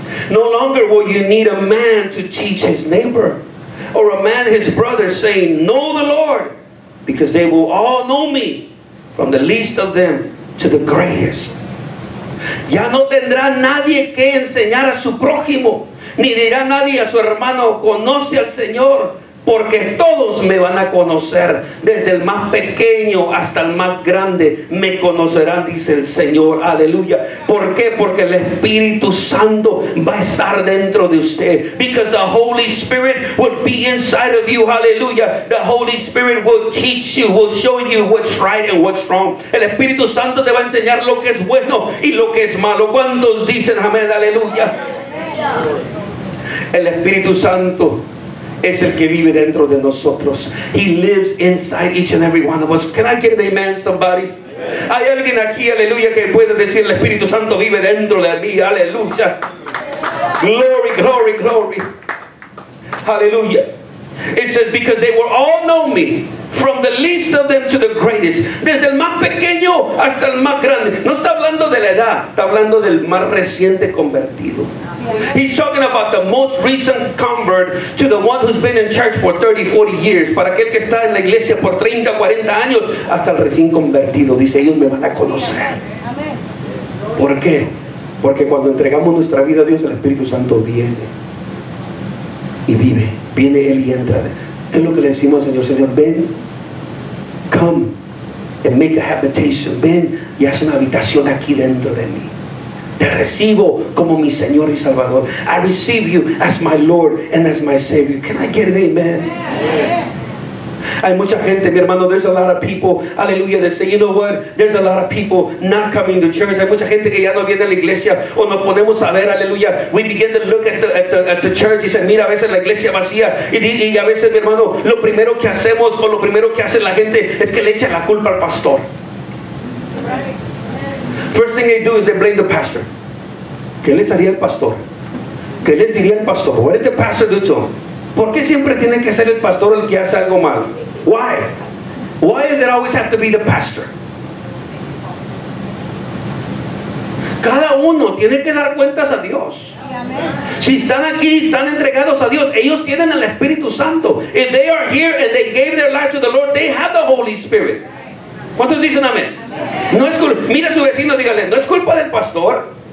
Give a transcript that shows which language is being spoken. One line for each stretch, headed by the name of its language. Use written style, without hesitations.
English: No longer will you need a man to teach his neighbor or a man his brother, saying, know the Lord, because they will all know me, from the least of them to the greatest.
Spanish: Ya no tendrá nadie que enseñar a su prójimo, ni dirá nadie a su hermano, conoce al Señor, porque todos me van a conocer, desde el más pequeño hasta el más grande me conocerán, dice el Señor. Aleluya. ¿Por qué? Porque el Espíritu Santo va a estar dentro de usted.
English: Because the Holy Spirit will be inside of you. Aleluya. The Holy Spirit will teach you, will show you what's right and what's wrong.
Spanish: El Espíritu Santo te va a enseñar lo que es bueno y lo que es malo. ¿Cuántos dicen amén? Aleluya. El Espíritu Santo es el que vive dentro de nosotros.
English: He lives inside each and every one of us. Can I get an amen, somebody? Amen.
Spanish: Hay alguien aquí, aleluya, que puede decir el Espíritu Santo vive dentro de mí.
English: Aleluya. Yeah. Glory, glory, glory. Aleluya. It says, because they will all know me, from the least of them to the greatest.
Spanish: Desde el más pequeño hasta el más grande. No está hablando de la edad, está hablando del más reciente convertido.
English: He's talking about the most recent convert to the one who's been in church for 30, 40 years.
Spanish: Para aquel que está en la iglesia por 30, 40 años, hasta el recién convertido. Dice, ellos me van a conocer. ¿Por qué? Porque cuando entregamos nuestra vida a Dios, el Espíritu Santo viene y vive. Viene Él y entra. ¿Qué es lo que le decimos al Señor? Señor, ven,
English: come and make a habitation.
Spanish: Ven y haz una habitación aquí dentro de mí. Te recibo como mi Señor y Salvador.
English: I receive you as my Lord and as my Savior. Can I get an amen?
Spanish: Hay mucha gente, mi hermano,
English: there's a lot of people, aleluya, they say, you know what, there's a lot of people not coming to church.
Spanish: Hay mucha gente que ya no viene a la iglesia, o no podemos saber, aleluya.
English: We begin to look at the church
Spanish: y say, mira, a veces la iglesia vacía, y a veces, mi hermano, lo primero que hacemos o lo primero que hace la gente es que le echa la culpa al pastor.
English: First thing they do is they blame the pastor.
Spanish: ¿Qué les haría el pastor? ¿Qué les diría el pastor?
English: What did the pastor do to them?
Spanish: ¿Por qué siempre tiene que ser el pastor el que hace algo mal?
English: Why? Why does it always have to be the pastor?
Spanish: Cada uno tiene que dar cuentas a Dios. Si están aquí, están entregados a Dios, ellos tienen el Espíritu Santo.
English: If they are here and they gave their life to the Lord, they have the Holy Spirit.
Spanish: ¿Cuántos dicen amén? No es culpa. Mira a su vecino, dígale, no es culpa del pastor.